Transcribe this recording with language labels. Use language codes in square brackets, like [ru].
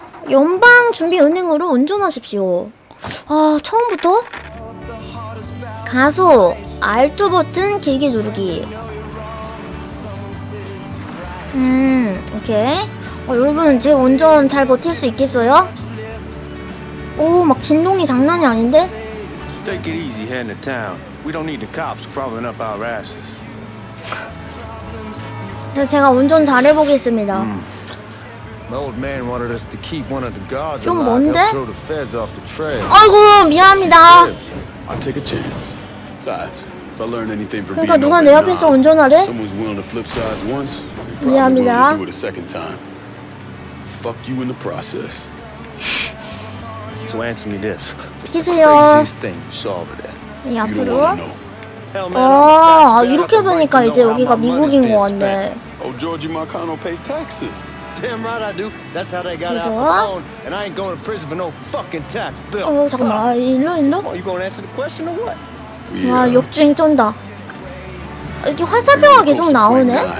[ko] 연방 준비 은행으로 운전하십시오. 아, 처음부터? 가속 R2 버튼 길게 누르기. 오케이. 어, 여러분, 제 운전 잘 버틸 수 있겠어요? 오, 막 진동이 장난이 아닌데? [en] Take it easy, head to town. We don't need the cops crawling up our asses. [ko] 네, 제가 운전 잘 해보겠습니다. [en] My old man wanted us to keep one of the guards. [ko] 좀 뭔데? [en] Throw the feds off the trail. [ko] 아이고, 미안합니다. [en] I take a chance. Besides, if I learn anything from being old enough, [ko] 그러니까 누가 내 앞에서 운전하래? [en] Someone's willing to flip sides once, probably willing to do it a second time. Fuck you in the process. So answer me this. What's the craziest thing you saw over there? [ko] 이 앞으로? 아, 이렇게 보니까 이제 여기가 미국인 거 같네. [en] Oh, Georgie Marcano pays taxes. Damn right I do. That's how they got out of the phone. And I ain't going to prison for no fucking tax bill. [ko] 어, 잠깐만. 일로. [en] Oh, you gonna answer the question or what? [ko] 와, 역주행 쩐다. 이렇게 화살표가 계속 나오네?